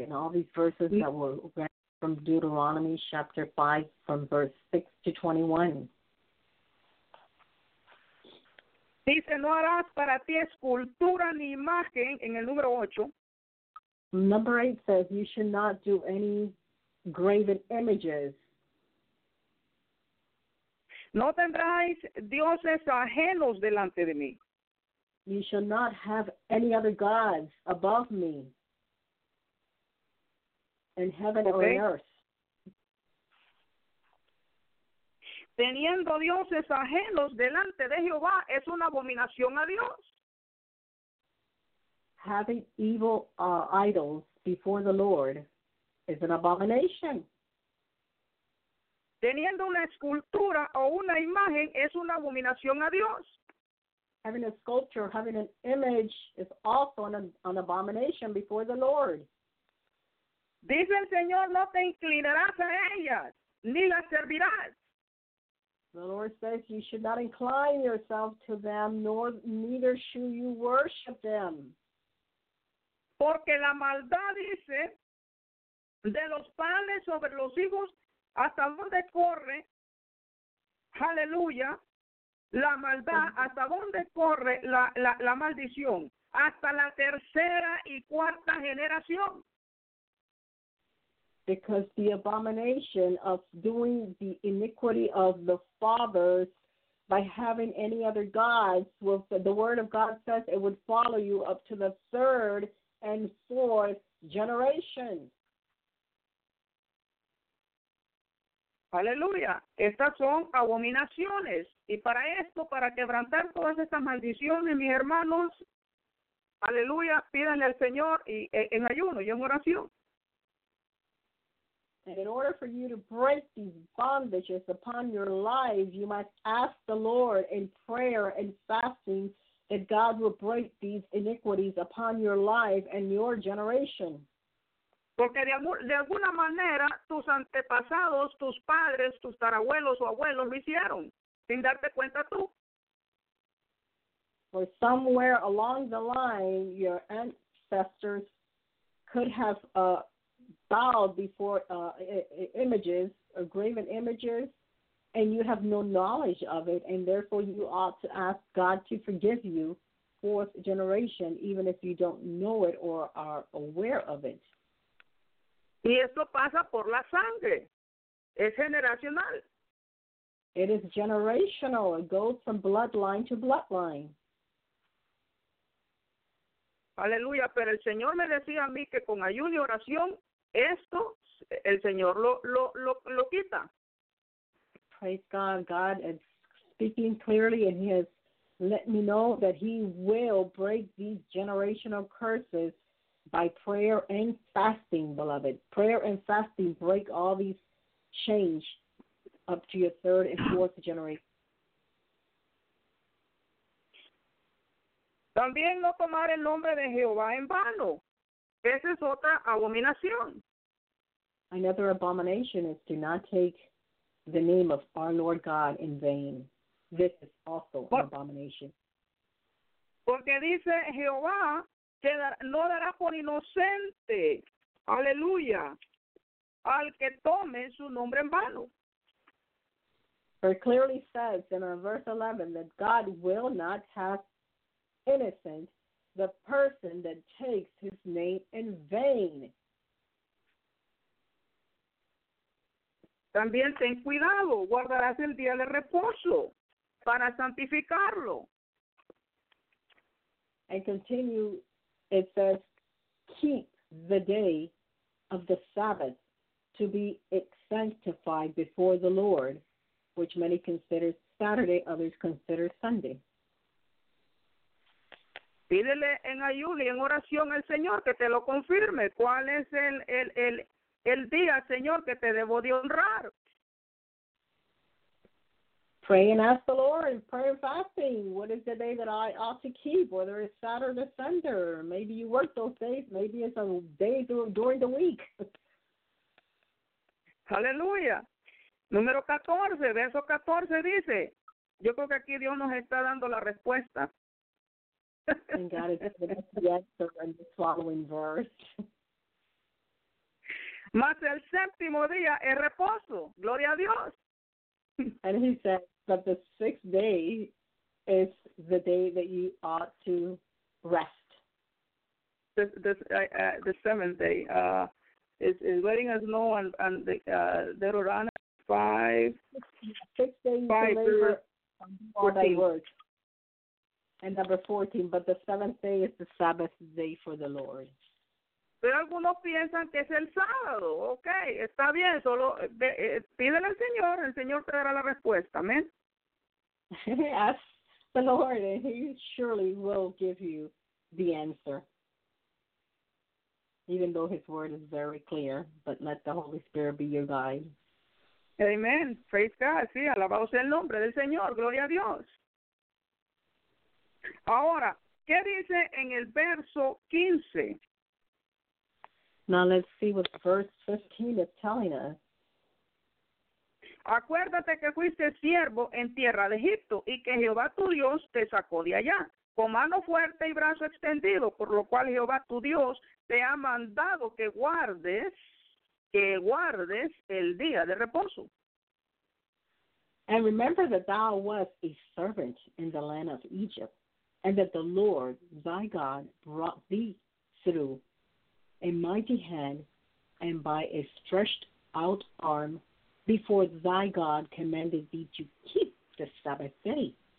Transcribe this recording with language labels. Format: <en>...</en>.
<en>And all these verses that were read from Deuteronomy chapter 5, from verse 6 to 21.</en> <es>Dice, no harás para ti escultura ni imagen, en el número 8.</es> <en>Number 8 says, you should not do any graven images.</en> <es>No tendráis dioses ajenos delante de mí.</es> <en>You shall not have any other gods above me in heaven or in earth.</en> <es>Teniendo dioses ajenos delante de Jehová es una abominación a Dios.</es> <en>Having evil idols before the Lord is an abomination.</en> <es>Teniendo una escultura o una imagen es una abominación a Dios.</es> <en>Having a sculpture, having an image is also an abomination before the Lord.</en> <es>Dice el Señor, no te inclinarás a ellas, ni las servirás.</es> <en>The Lord says you should not incline yourself to them, neither should you worship them.</en> <es>Porque la maldad dice, de los padres sobre los hijos, hasta donde corre, aleluya. La maldad, ¿hasta dónde corre la maldición? Hasta la tercera y cuarta generación.</es> <en>Because the abomination of doing the iniquity of the fathers by having any other gods, well, the word of God says it would follow you up to the third and fourth generation.</en> <es>Aleluya. Estas son abominaciones. Y para esto, para quebrantar todas estas maldiciones, mis hermanos, aleluya, pídanle al Señor y, en ayuno y en oración.</es> <en>And in order for you to break these bondages upon your life, you must ask the Lord in prayer and fasting that God will break these iniquities upon your life and your generation.</en> <es>Porque de alguna manera tus antepasados, tus padres, tus tarabuelos o abuelos lo hicieron, sin darte cuenta tú.</es> <en>For somewhere along the line, your ancestors could have bowed before images, graven images, and you have no knowledge of it, and therefore you ought to ask God to forgive you, fourth generation, even if you don't know it or are aware of it.</en> <es>Y esto pasa por la sangre. Es generacional.</es> <en>It is generational. It goes from bloodline to bloodline.</en> <es>Aleluya. Pero el Señor me decía a mí que con ayuno y oración, esto el Señor lo quita.</es> <en>Praise God. God is speaking clearly and he has let me know that he will break these generational curses by prayer and fasting, beloved. Prayer and fasting break all these chains up to your third and fourth generation.</en> <es>También no tomar el nombre de Jehová en vano. Esa es otra abominación.</es> <en>Another abomination is to not take the name of our Lord God in vain. This is also an abomination.</en> <es>Porque dice Jehová, que no dará por inocente, aleluya, al que tome su nombre en vano.</es> <en>For it clearly says in verse 11 that God will not have innocent the person that takes his name in vain.</en> <es>También ten cuidado, guardarás el día de reposo para santificarlo.</es> <en>And continue. It says, keep the day of the Sabbath to be sanctified before the Lord, which many consider Saturday, others consider Sunday.</en> <es>Pídele en ayuno y en oración al Señor que te lo confirme. ¿Cuál es el día, Señor, que te debo de honrar?</es> <en>Pray and ask the Lord in prayer and fasting. What is the day that I ought to keep, whether it's Saturday or Sunday? Maybe you work those days. Maybe it's a day during the week.</en> <es>Aleluya. Número 14, verso 14 dice, yo creo que aquí Dios nos está dando la respuesta.</es> <en>And God is giving us the answer in the following verse.</en> <es>Mas el séptimo día es reposo. Gloria a Dios.</es> <en>And he said that the sixth day is the day that you ought to rest. The seventh day. It's letting us know on the Deuteronomy 6 days of labor, 14. And number 14, but the seventh day is the Sabbath day for the Lord.</en> <es>Pero algunos piensan que es el sábado. Okay, está bien, solo pídele al Señor, el Señor te dará la respuesta, amén.</es> <en>Ask the Lord and he surely will give you the answer. Even though his word is very clear, but let the Holy Spirit be your guide. Amen. Praise God.</en> <es>Sí, alabado sea el nombre del Señor. Gloria a Dios. Ahora, ¿qué dice en el verso 15?</es> <en>Now let's see what verse 15 is telling us.</en> <es>Acuérdate que fuiste siervo en tierra de Egipto y que Jehová tu Dios te sacó de allá con mano fuerte y brazo extendido, por lo cual Jehová tu Dios te ha mandado que guardes el día de reposo.</es> <en>And remember that thou wast a servant in the land of Egypt, and that the Lord thy God brought thee through a mighty hand and by a stretched out arm before thy God commanded thee to keep the Sabbath day.</en>